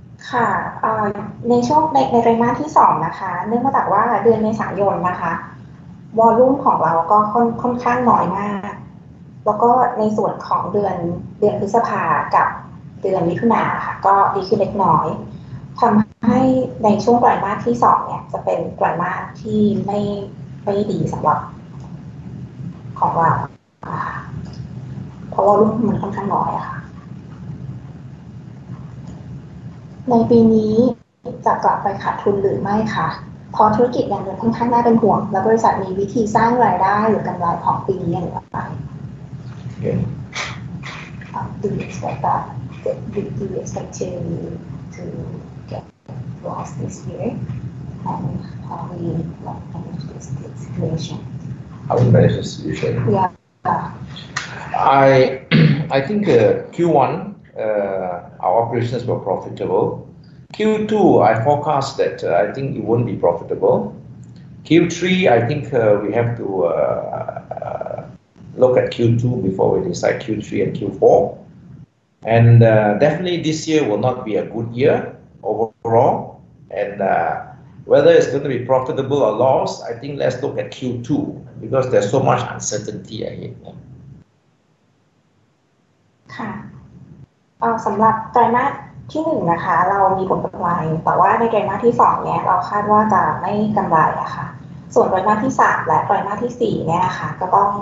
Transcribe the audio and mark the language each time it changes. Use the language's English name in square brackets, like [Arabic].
[Thai] ค่ะในช่วงในไตรมาสที่2นะคะเนื่องมาจากว่าเดือนเมษายนนะคะวอลุ่มของเราก็ค่อนข้างน้อยมากแล้วก็ในส่วนของเดือนพฤษภากับเดือนมิถุนาค่ะก็ดีขึ้นเล็กน้อยทำให้ในช่วงไตรมาสที่2เนี่ยจะเป็นไตรมาสที่ไม่ดีสำหรับของเราเพราะวอลุ่มมันค่อนข้างน้อยค่ะ ในปีนี้จะกลับไปขาดทุนหรือไม่คะเพราะธุรกิจยังเดินค่อนข้างน่าเป็นห่วงและบริษัทมีวิธีสร้างรายได้หรือกำไรของปีนี้อย่างไร โอเค [English] Do you expect that? Do you expect to get lost this year? And how do you manage this situation? How do you manage this situation? I think Q1our operations were profitable. Q2, I forecast that I think it won't be profitable. Q3, I think we have to look at Q2 before we decide Q3 and Q4. And definitely this year will not be a good year overall. And whether it's going to be profitable or loss, I think let's look at Q2 because there's so much uncertainty ahead. Okay. [Thai] สำหรับไตรมาสที่1นะคะเรามีผลกำไรแต่ว่าในไตรมาสที่2เนี่ยเราคาดว่าจะไม่กำไรอะค่ะส่วนไตรมาสที่3และไตรมาสที่4เนี่ยนะคะก็ต